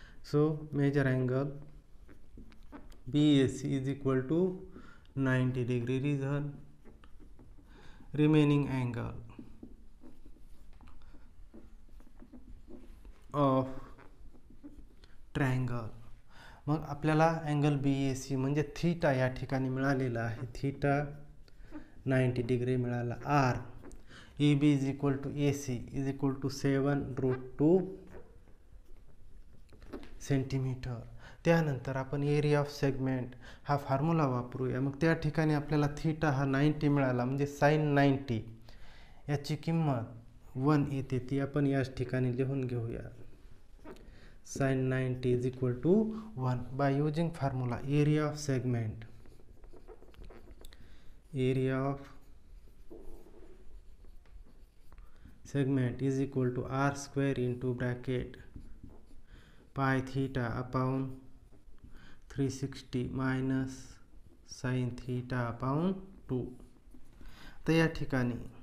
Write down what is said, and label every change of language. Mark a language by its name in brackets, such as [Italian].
[English] So measure angle B A C is equal to 90 degree, reason remaining angle of triangle. [Marathi] मग आपल्याला [English] angle B A C [Marathi] म्हणजे theta या ठिकाणी मिळालेला आहे, थीटा 90 डिग्री मिळाला. [English] R A B is equal to A C is equal to 7√2 centimetre. [Marathi] त्यानंतर आपण [English] area of segment [Marathi] हा फॉर्म्युला वापरूया. मग त्या ठिकाणी आपल्याला थीटा हा 90 मिळाला, म्हणजे साईन 90 याची किंमत 1 येते, ती आपण याच ठिकाणी लिहून घेऊया. [English] Sine 90 is equal to 1 by using formula area of segment, area of segment is equal to R square into bracket pi theta upon 360 minus sine theta upon 2. [Marathi] तर या ठिकाणी